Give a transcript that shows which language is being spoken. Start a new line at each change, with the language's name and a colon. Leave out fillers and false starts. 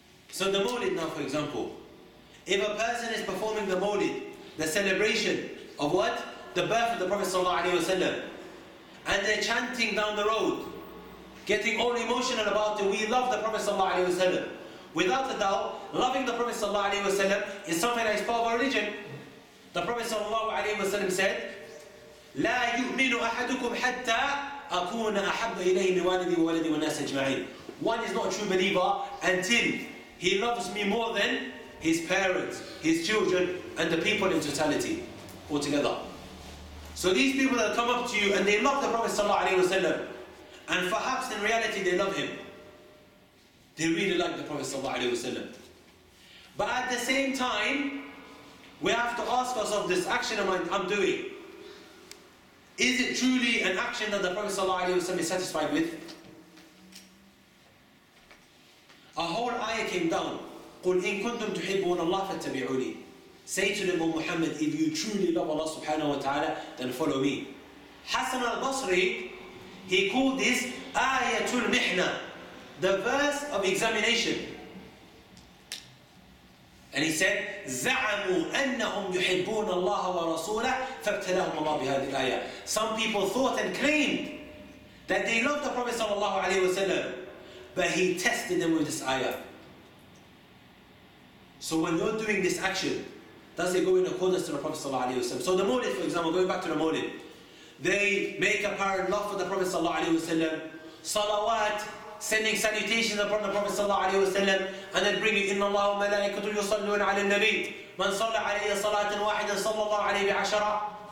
English: So the Mawlid now, for example, if a person is performing the Mawlid, the celebration of what? The birth of the Prophet sallallahu alaihi wasallam, and they're chanting down the road, getting all emotional about it. We love the Prophet sallallahu alaihi wasallam. Without a doubt, loving the Prophet sallallahu alaihi wasallam is something that is part of our religion. The Prophet sallallahu alaihi wasallam said,
Arabic: لا يؤمن أحدكم حتى أكون أحب إليه من والدي وولدي والناس أجمعين.
English: One is not a true believer until he loves me more than his parents, his children, and the people in totality altogether. So these people that come up to you and they love the Prophet sallallahu alaihi wasallam, and perhaps in reality they love him, they really like the Prophet sallallahu alaihi wasallam. But at the same time, we have to ask ourselves, this action I'm doing, is it truly an action that the Prophet sallallahu alaihi wasallam is satisfied with? A whole ayah came down,
Arabic: قُلْ إِن كُنْتُمْ تُحِبُّونَ اللَّهَ فَاتَّبِعُونِي.
English: Say to them, O Muhammad, if you truly love Allah subhanahu wa ta'ala, then follow me. Hassan al-Basri, he called this Ayatul Mihna, the verse of examination. And he said,
Arabic: زَعَمُوا أَنَّهُمْ يُحِبُّونَ اللَّهَ وَرَسُولَهُ فَابْتَلَهُمُ اللَّهُ بِهَذِهِ الْآيَةِ.
English: Some people thought and claimed that they loved the Prophet sallallahu alayhi wa sallam, but he tested them with this ayah. So when you're doing this action, does it go in accordance to the Prophet sallallahu alayhi wa sallam? So the Mawlid, for example, going back to the Mawlid, they make apparent love for the Prophet sallallahu alayhi wa sallam, salawat, sending salutations upon the Prophet sallallahu alayhi wa sallam, and then bringing
Arabic: إِنَّ اللَّهُ مَلَائِكَةُ يُصَلُّونَ عَلَى النَّبِيِّ مَنْ صَلَّ عَلَيَّ صَلَاةٍ وَاحِدًا صَلَّ اللَّهُ عَلَيْهِ بِعَشَرًا.